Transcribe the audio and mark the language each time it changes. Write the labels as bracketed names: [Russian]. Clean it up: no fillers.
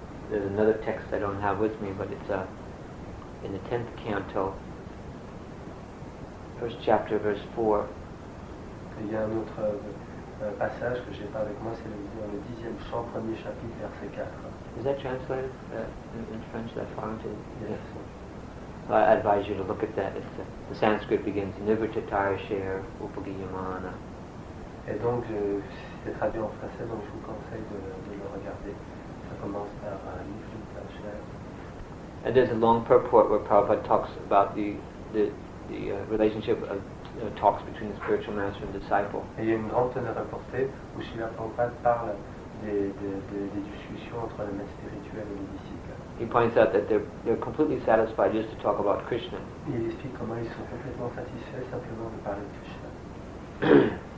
[English] There's another text I don't have with me, but it's in the 10th canto, first chapter, verse 4. [French] Il y a un autre passage que j'ai pas avec moi, c'est dans le 10e chant, premier chapitre, verset 4. [English] Is that translated in French, that far into it? Yes. So I advise you to look at that. It's, the Sanskrit begins Nivrittatarashir Upagiyamana. [French] Et donc c'est traduit en français, donc je vous conseille de le regarder. Ça commence par Nivrittatarashir. [English] And there's a long purport where Prabhupada talks about the relationship of talks between the spiritual master and disciple. [French] Et il y a une grande teneur importée où Srila Prabhupada parle des discussions entre le maître spirituel et le disciple. [English] He points out that they're completely satisfied just to talk about Krishna. [French] Il explique comment ils sont complètement satisfaits simplement de parler de Krishna.